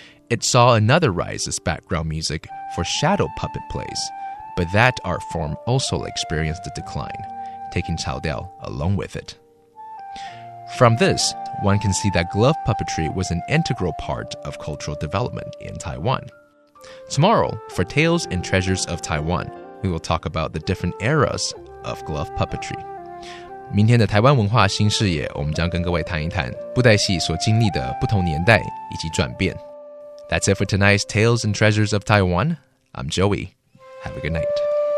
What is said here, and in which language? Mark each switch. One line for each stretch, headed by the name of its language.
English: It saw another rise as background music for shadow puppet plays, but that art form also experienced a decline, taking 潮调 along with it. From this, one can see that glove puppetry was an integral part of cultural development in Taiwan. Tomorrow, for Tales and Treasures of Taiwan, we will talk about the different eras of glove puppetry.
Chinese: 明天的台湾文化新视野，我们将跟各位谈一谈布袋戏所经历的不同年代以及转变。
English: That's it for tonight's Tales and Treasures of Taiwan. I'm Joey. Have a good night.